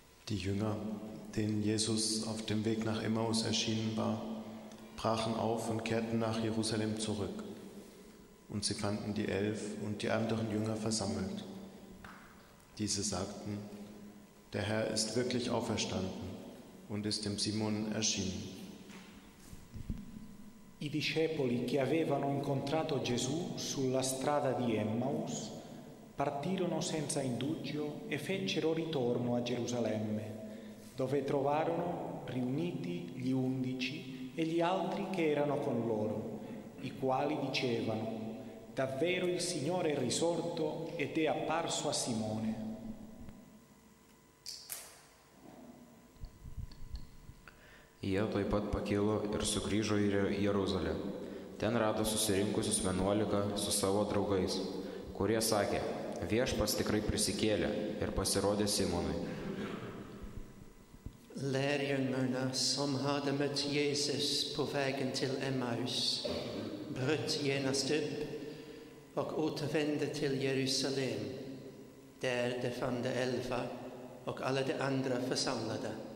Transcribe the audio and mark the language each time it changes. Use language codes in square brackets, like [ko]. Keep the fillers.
[de] Die Jünger, denen Jesus auf dem Weg nach Emmaus erschienen war, brachen auf und kehrten nach Jerusalem zurück. Und sie fanden die Elf und die anderen Jünger versammelt. Diese sagten, der Herr ist wirklich auferstanden und ist dem Simon erschienen. [it] I discepoli che avevano incontrato Gesù sulla strada di Emmaus partirono senza indugio e fecero ritorno a Gerusalemme, dove trovarono riuniti gli undici e gli altri che erano con loro, i quali dicevano, davvero il Signore è risorto ed è apparso a Simone. [lt] Jie taip pat pakilo ir sugrįžo į Jer- Jeruzalę. Ten rado susirinkusius vienuolika su savo draugais, kurie sakė, viešpas tikrai prisikėlė ir pasirodė Simonui. [sv] Lärjungarna som hade mött Jesus på vägen till Emmaus bröt genast upp och återvände till Jerusalem. Där de fann de elva och alla de andra församlade.